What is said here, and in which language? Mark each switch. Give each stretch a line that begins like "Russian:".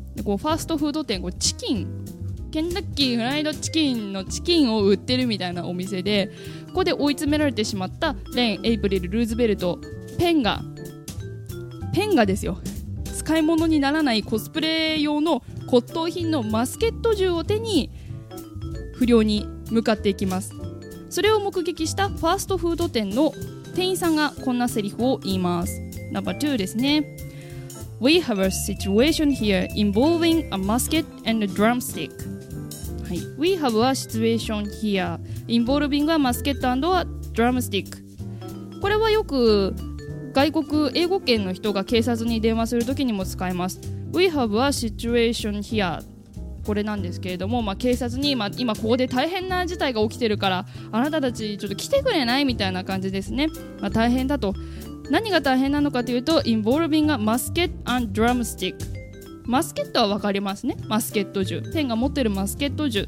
Japanese: こうファーストフード店、こうチキン、ケンタッキーフライドチキンのチキンを売ってるみたいなお店で、ここで追い詰められてしまったレン、エイプリル、ルーズベルト、ペンがですよ、使い物にならないコスプレ用の骨董品のマスケット銃を手に不良に向かっていきます。それを目撃したファーストフード店の店員さんがこんなセリフを言います。ナンバー2ですね。
English: We have a situation here involving a musket and a drumstick.、はい、We have a situation here involving a musket and a drumstick.
Japanese: これはよく外国英語圏の人が警察に電話するときにも使えます。
English: We have a situation here.
Japanese: これなんですけれども、まあ、警察に 今ここで大変な事態が起きてるから、あなたたちちょっと来てくれないみたいな感じですね。まあ、大変だと。何が大変なのかというと、
English: involving a musket and drumstick。
Japanese: マスケットは分かりますね、マスケット銃、ペンが持ってるマスケット銃。